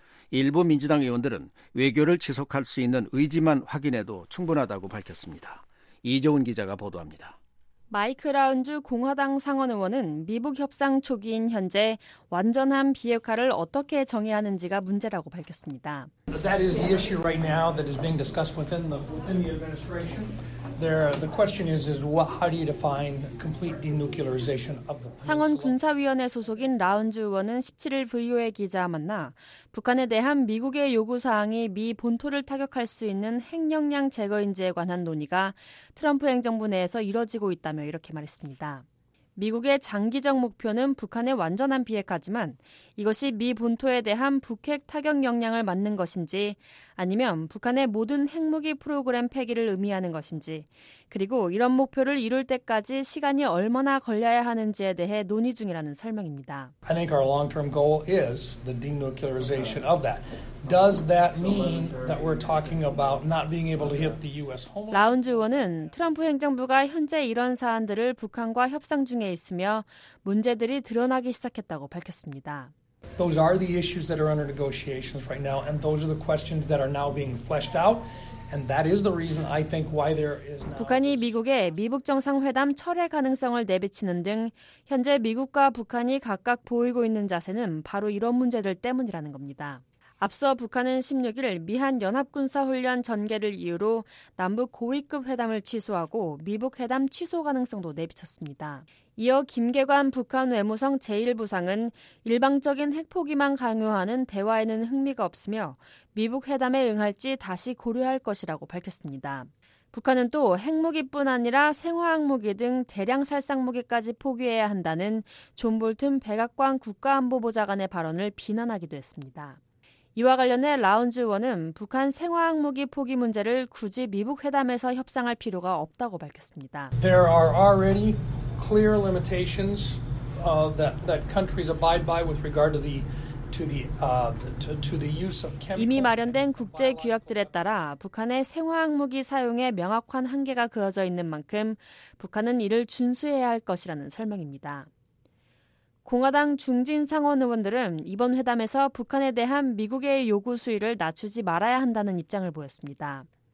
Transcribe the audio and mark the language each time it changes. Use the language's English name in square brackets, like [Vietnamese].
[Korean] 일부 민주당 의원들은 외교를 지속할 수 있는 의지만 확인해도 충분하다고 밝혔습니다. 이종훈 기자가 보도합니다. 마이크 라운주 공화당 상원 의원은 미북 협상 초기인 현재 완전한 비핵화를 어떻게 정해야 하는지가 문제라고 밝혔습니다. [English] That is the issue right now that is being discussed within the administration. The question is how do you define complete denuclearization of the [Korean] 상원 군사위원회 소속인 라운주 의원은 17일 VOA 기자와 만나 북한에 대한 미국의 요구 사항이 미 본토를 타격할 수 있는 핵 역량 제거인지에 관한 논의가 트럼프 행정부 내에서 이뤄지고 있다며 이렇게 말했습니다. 미국의 장기적 목표는 북한의 완전한 비핵화지만 이것이 미 본토에 대한 북핵 타격 역량을 맞는 것인지 아니면 북한의 모든 핵무기 프로그램 폐기를 의미하는 것인지 그리고 이런 목표를 이룰 때까지 시간이 얼마나 걸려야 하는지에 대해 논의 중이라는 설명입니다. [English] I think our long-term goal is the denuclearization of that. Does that mean that we're talking about not being able to hit the U.S. home? [Korean] 라운즈 의원은 트럼프 행정부가 현재 이런 사안들을 북한과 협상 중에 있으며 문제들이 드러나기 시작했다고 밝혔습니다. [English] Those are the issues that are under negotiations right now, and those are the questions that are now being fleshed out. And that is the reason I think why there is now. [Korean] 북한이 미국에 미북 정상회담 철회 가능성을 내비치는 등 현재 미국과 북한이 각각 보이고 있는 자세는 바로 이런 문제들 때문이라는 겁니다. 앞서 북한은 16일 미한 연합군사훈련 전개를 이유로 남북 고위급 회담을 취소하고 미북 회담 취소 가능성도 내비쳤습니다. 이어 김계관 북한 외무성 제1부상은 일방적인 핵포기만 강요하는 대화에는 흥미가 없으며 미북 회담에 응할지 다시 고려할 것이라고 밝혔습니다. 북한은 또 핵무기뿐 아니라 생화학무기 등 대량 살상무기까지 포기해야 한다는 존 볼튼 백악관 국가안보보좌관의 발언을 비난하기도 했습니다. 이와 관련해 라운즈 의원은 북한 생화학무기 포기 문제를 굳이 미북 회담에서 협상할 필요가 없다고 밝혔습니다. [English] There are already clear limitations that countries abide by with regard to the use of chemical. [Korean] 이미 마련된 국제 규약들에 따라 북한의 생화학무기 사용에 명확한 한계가 그어져 있는 만큼 북한은 이를 준수해야 할 것이라는 설명입니다. 공화당 중진 상원 의원들은 이번 회담에서 북한에 대한 미국의 요구 수위를 낮추지 말아야 한다는 입장을 보였습니다.